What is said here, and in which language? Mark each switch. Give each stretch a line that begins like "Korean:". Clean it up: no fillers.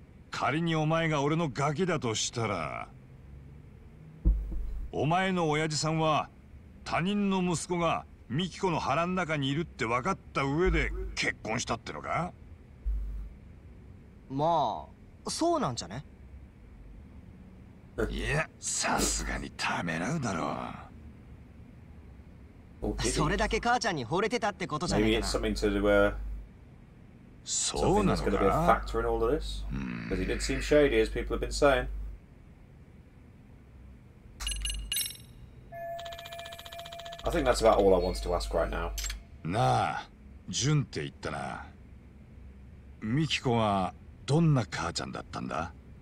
Japanese: 仮にお前が俺のガキだとしたら、お前の親父さんは他人の息子がミキコの腹の中にいるって分かった上で結婚したってのか？まあ、そうなんじゃね。いや、さすがにためらうだろう。それだけ母ちゃんに惚れてたってことじゃないかな。
English: Maybe it's something to do with something that's going to be a factor in all of this. Because he did seem shady, as people have been saying. I think that's about all I wanted to ask right now.
Japanese: なあ、ジュンって言ったな。ミキコはどんな母ちゃんだったんだ？